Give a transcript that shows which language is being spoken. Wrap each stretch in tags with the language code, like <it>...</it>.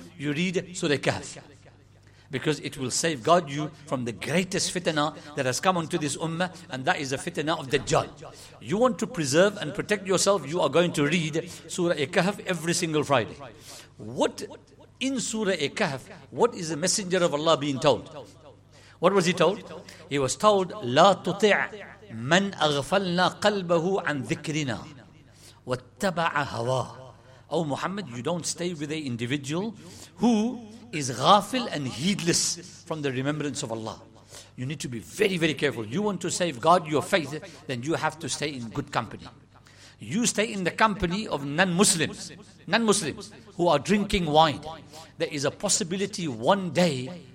<en>You read Surah Kahf. Because it will safeguard you from the greatest fitnah that has come onto this ummah, and that is the fitnah of Dajjal. You want to preserve and protect yourself, you are going to read Surah Kahf every single Friday. What in Surah Kahf, what is the Messenger of Allah being told? What was he told? He was told,</en> <ar>لا تطع من أغفلنا قلبه عن ذكرنا واتبع هواه.</ar> <en>Oh Muhammad, you don't stay with an individual who is ghafil and heedless from the remembrance of Allah. You need to be very, very careful. You want to safeguard your faith, then you have to stay in good company. You stay in the company of non-Muslims who are drinking wine. There is a possibility one day</en>